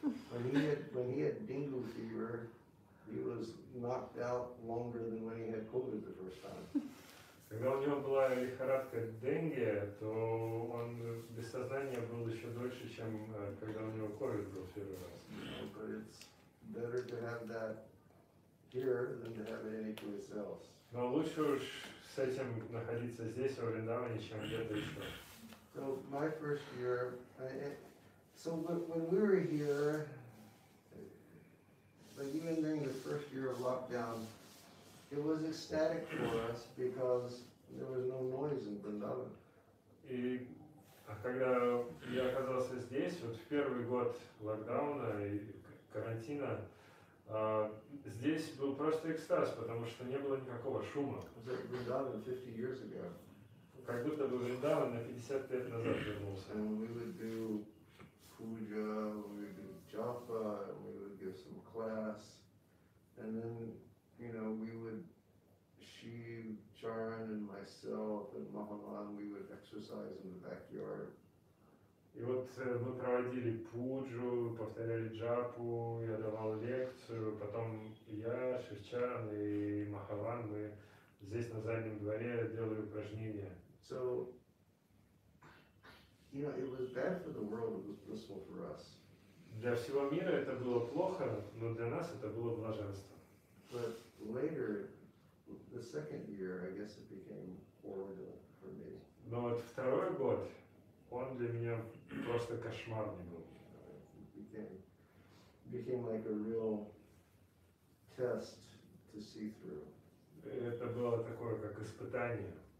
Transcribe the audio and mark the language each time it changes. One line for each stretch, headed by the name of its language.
English: When he had dengue fever, he was knocked out longer than when he had COVID the first time.
Russian: Когда у него была лихорадка денге, то он без сознания был еще дольше, чем когда у него COVID был первый раз.
English: But it's better to have that here than to have it anywhere else.
Russian: Но лучше уж с этим находиться здесь, во Вриндаване, чем где-то еще.
English: So my first year, when we were here, like even during the first year of lockdown, it was ecstatic for us because there was no noise in Vrindavan.
Russian: И когда я оказался здесь, вот в первый год локдауна и карантина, здесь был просто экстаз, потому что не было никакого шума.
English: Vrindavan 50 years ago.
Russian: Как будто бы Vrindavan на 50 лет назад вернулся.
English: And we would do puja, we would do japa, we would give some class, and then you know, we would, Shiv, Charan, and myself, and Mahalan, we would exercise in the backyard.
Russian: И вот мы проводили пуджу, повторяли джапу, я давал лекцию, потом я, Шив Чаран и Махалан, мы здесь на заднем дворе делали упражнения.
English: So, you know, it was bad for the world, it was blissful for us.
Russian: Для всего мира это было плохо, но для нас это было блаженство.
English: But later, the second year, I guess it became horrible for me.
Russian: Но вот второй год, он для меня просто кошмарный был.
English: It became like a real test to see through.
Russian: Это было такое, как испытание.